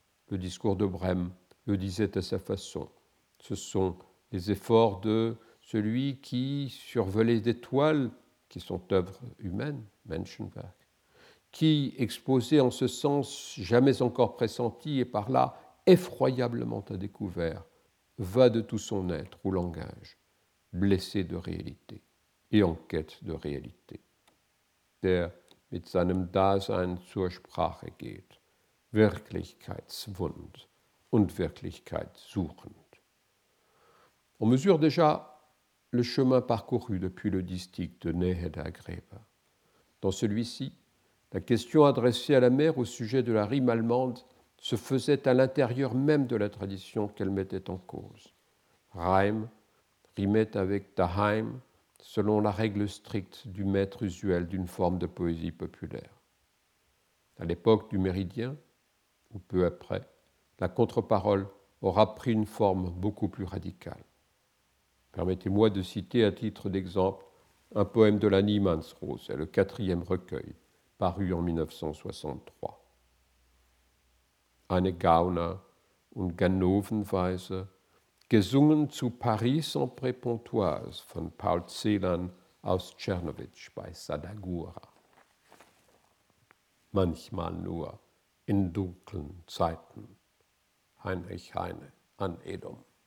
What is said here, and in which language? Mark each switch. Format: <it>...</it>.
<fr>Le discours de Brehm le disait à sa façon. Ce sont les efforts de celui qui, survolé d'étoiles, qui sont œuvres humaines, Menschenwerk, qui, exposé en ce sens jamais encore pressenti et par là effroyablement à découvert, va de tout son être ou langage, blessé de réalité et en quête de réalité.</fr> <de>Der mit seinem Dasein zur Sprache geht, Wirklichkeitswund und Wirklichkeit suchend.</de> <fr>On mesure déjà le chemin parcouru depuis le distique de Nähe der Gräber. Dans celui-ci, la question adressée à la mère au sujet de la rime allemande se faisait à l'intérieur même de la tradition qu'elle mettait en cause. Reim rimait avec daheim, selon la règle stricte du maître usuel d'une forme de poésie populaire. À l'époque du Méridien, ou peu après, la contre-parole aura pris une forme beaucoup plus radicale. Permettez-moi de citer à titre d'exemple un poème de la Niemannsrose, le quatrième recueil, paru en 1963.</fr> <de>Eine Gauner und Ganovenweise, gesungen zu Paris en Prépontoise von Paul Celan aus Tschernowitsch bei Sadagura. Manchmal nur in dunklen Zeiten, Heinrich Heine an Edom.</de>